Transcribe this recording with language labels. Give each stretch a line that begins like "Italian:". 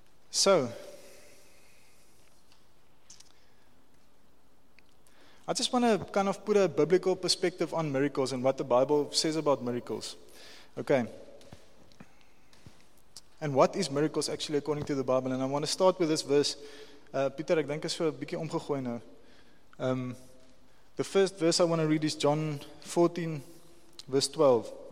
English: So, I just want to kind of put a biblical perspective on miracles and what the Bible says about miracles. Okay. And what is miracles actually according to the Bible? And I want to start with this verse.
Afrikaans: Pieter, ek dink is so 'n bietjie omgegooi nou.
English: The first verse I want to read is John 14, verse 12.